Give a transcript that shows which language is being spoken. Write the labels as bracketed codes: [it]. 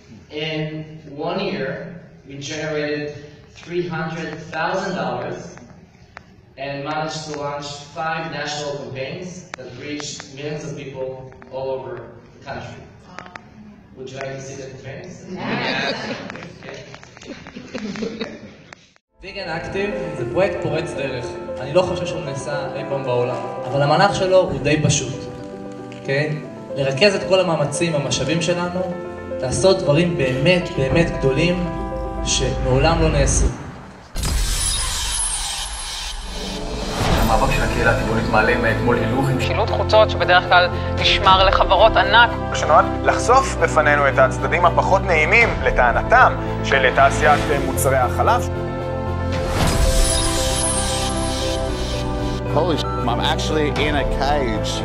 [en] In 1 year, we generated $300,000 and managed to launch 5 national campaigns that reached millions of people all over the country. Would you like to see the campaigns? Yes. [he] Vegan Active זה פרויקט פורץ דרך. אני לא חושב שהוא נעשה אי פעם בעולם, אבל המהלך שלו הוא די פשוט, כן? לרכז את כל המאמצים, המשאבים שלנו, לעשות דברים באמת באמת גדולים שמעולם לא נעשו. המאבק של הקהילה הטבעונית מעלה מאתמול הילוכים. שינות חוצות שבדרך כלל נשמר לחברות ענק. כשנועד לחשוף בפנינו את הצדדים הפחות נעימים לטענתם של תעשיית מוצרי החלב. [en] Holy shit, I'm actually in a cage.